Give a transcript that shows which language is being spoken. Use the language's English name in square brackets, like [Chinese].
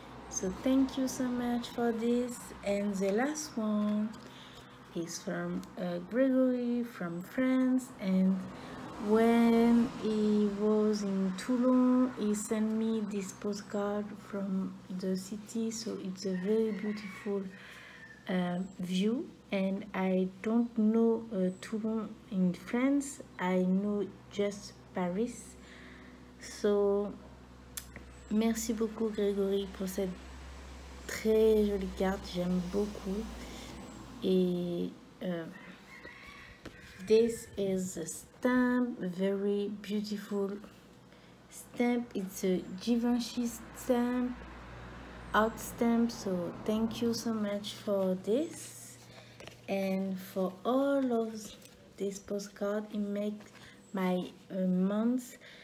[English] So thank you so much for this. And the last one is from Gregory from France, and when he was in Toulon, he sent me this postcard from the city. So it's a very beautiful view, and I don't know Toulon in France. I know just Paris. [French] So merci beaucoup, Grégory, pour cette très jolie carte. J'aime beaucoup. Et [English] this is a stamp, very beautiful stamp. It's a Givenchy stamp, art stamp. So thank you so much for this. And for all of this postcard, it makes my month.